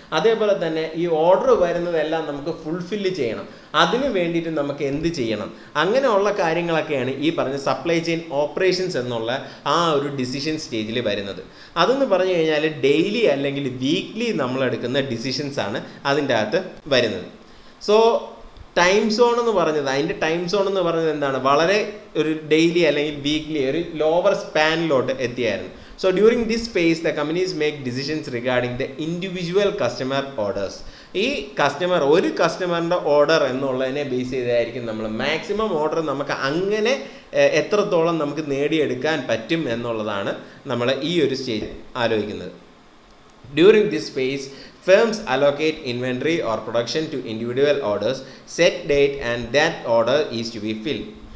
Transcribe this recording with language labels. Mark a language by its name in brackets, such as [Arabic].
[Malayalam] അതേപോലെ തന്നെ ഈ ഓർഡർ വരുന്നതെല്ലാം നമുക്ക് ഫുൾഫില്ല് ചെയ്യണം, അതിന് വേണ്ടിയിട്ട് നമുക്ക് എന്ത് ചെയ്യണം, അങ്ങനെയുള്ള കാര്യങ്ങളൊക്കെയാണ് ഈ പറഞ്ഞ സപ്ലൈ ചെയിൻ ഓപ്പറേഷൻസ് എന്നുള്ള ആ ഒരു ഡിസിഷൻ സ്റ്റേജിൽ വരുന്നത്. അതെന്ന് പറഞ്ഞു കഴിഞ്ഞാൽ ഡെയിലി അല്ലെങ്കിൽ വീക്ക്ലി നമ്മളെടുക്കുന്ന ഡിസിഷൻസ് ആണ് അതിൻ്റെ അകത്ത് വരുന്നത്. സോ ടൈം സോൺ എന്ന് പറഞ്ഞത്, അതിൻ്റെ ടൈം സോൺ എന്ന് പറഞ്ഞത് എന്താണ്, വളരെ ഒരു ഡെയിലി അല്ലെങ്കിൽ വീക്ക്ലി ഒരു lower സ്പാനിലോട്ട് എത്തിയായിരുന്നു. [English] So during this phase, the companies make decisions regarding the individual customer orders. [Malayalam] ഈ കസ്റ്റമർ ഒരു കസ്റ്റമറിൻ്റെ ഓർഡർ എന്നുള്ളതിനെ ബേസ് ചെയ്തായിരിക്കും നമ്മൾ മാക്സിമം ഓർഡർ നമുക്ക് അങ്ങനെ എത്രത്തോളം നമുക്ക് നേടിയെടുക്കാൻ പറ്റും എന്നുള്ളതാണ് നമ്മൾ ഈ ഒരു സ്റ്റേജ് ആലോചിക്കുന്നത്. [English] During this phase, firms allocate inventory or production to individual orders, set date and that order is to be filled.